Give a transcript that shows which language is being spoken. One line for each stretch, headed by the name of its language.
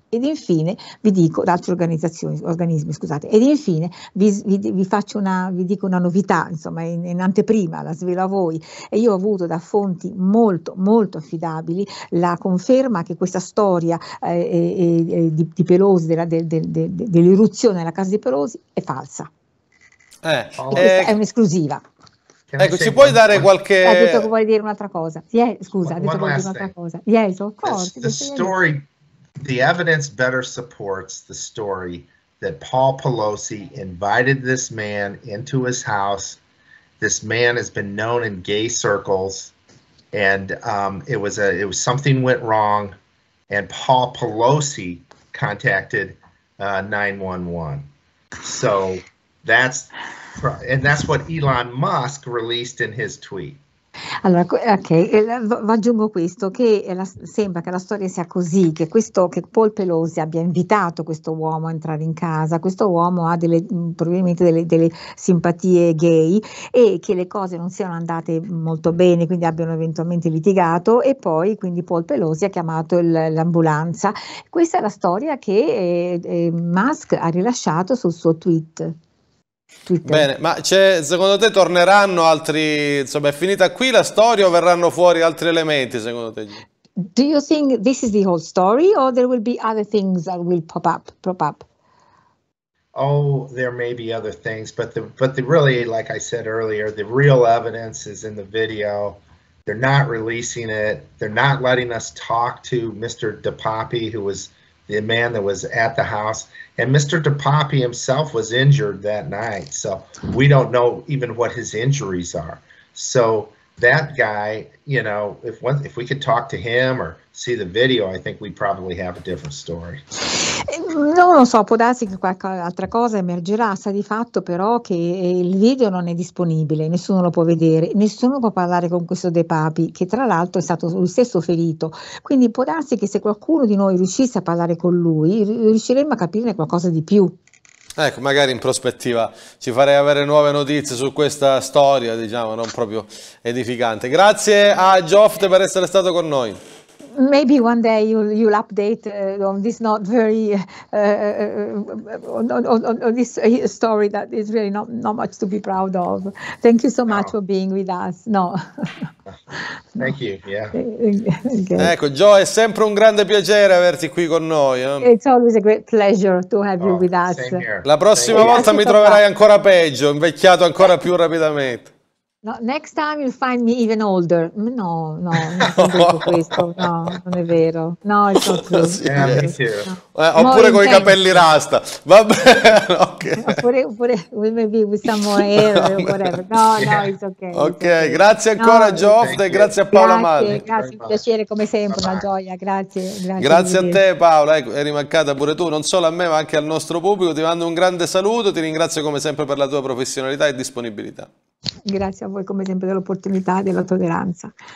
Italian: Ed infine vi dico, da altre organismi, scusate, ed infine vi dico una novità, insomma, in anteprima, la svelo a voi, e io ho avuto da fonti molto molto affidabili la conferma che questa storia di Pelosi, dell'irruzione alla casa di Pelosi, è falsa. Questa è un'esclusiva. Ecco, ci puoi dare qualche... Ha detto che vuole dire un'altra cosa. Scusa, ha detto che vuole dire un'altra cosa.
English: Yes, of course. The story, the evidence better supports the story that Paul Pelosi invited this man into his house. This man has been known in gay circles, and it was something went wrong, and Paul Pelosi contacted 911. So that's... And that's what Elon Musk released in his tweet.
Italian: Allora, ok, aggiungo questo, che sembra che la storia sia così, che Paul Pelosi abbia invitato questo uomo a entrare in casa. Questo uomo ha probabilmente delle simpatie gay, e che le cose non siano andate molto bene, quindi abbiano eventualmente litigato, e poi quindi Paul Pelosi ha chiamato l'ambulanza. Questa è la storia che Musk ha rilasciato sul suo tweet. Twitter. Bene, ma secondo te torneranno altri, insomma, è finita qui la storia o verranno fuori altri elementi secondo te?
English: Do you think this is the whole story, or there will be other things that will pop up? Oh, there may be other things, but the really, like I said earlier, the real evidence is in the video. They're not releasing it. They're not letting us talk to Mr. DePapi, who was the man that was at the house, and Mr. DePapi himself was injured that night. So we don't know even what his injuries are. So that guy, you know, if we could talk to him or see the video, I think we'd probably have a different story.
Italian: Non lo so, può darsi che qualche altra cosa emergerà. Sa di fatto però che il video non è disponibile, nessuno lo può vedere, nessuno può parlare con questo DePapi, che tra l'altro è stato lo stesso ferito. Quindi può darsi che se qualcuno di noi riuscisse a parlare con lui, riusciremmo a capirne qualcosa di più. Ecco, magari in prospettiva ci farei avere nuove notizie su questa storia, diciamo, non proprio edificante. Grazie a Joft per essere stato con noi.
English: Maybe one day you'll update on this not very on this story that is really not much to be proud of. Thank you so much for being with us. No. Thank you. Yeah. Okay.
Italian: Ecco, Joe, è sempre un grande piacere averti qui con noi. Eh?
English: It's always a great pleasure to have you with us. Same here.
Italian: La prossima
English: same
Italian: volta here. Mi troverai ancora peggio, invecchiato ancora più rapidamente.
English: No, next time you'll find me even older. No, no, non è vero questo.
Italian: No, non è vero. No, è proprio. Sì, no. Oppure con i capelli rasta. Vabbè, ok.
English: Oppure maybe with some more hair or whatever. No, no, it's ok.
Italian: Ok, grazie ancora, no, Geoff, e grazie a Paola Mali. Grazie, un piacere come sempre, una gioia. Grazie, grazie. Grazie a te, Paola. Ecco, eri mancata pure tu, non solo a me, ma anche al nostro pubblico. Ti mando un grande saluto. Ti ringrazio come sempre per la tua professionalità e disponibilità. Grazie a voi come sempre dell'opportunità e della tolleranza.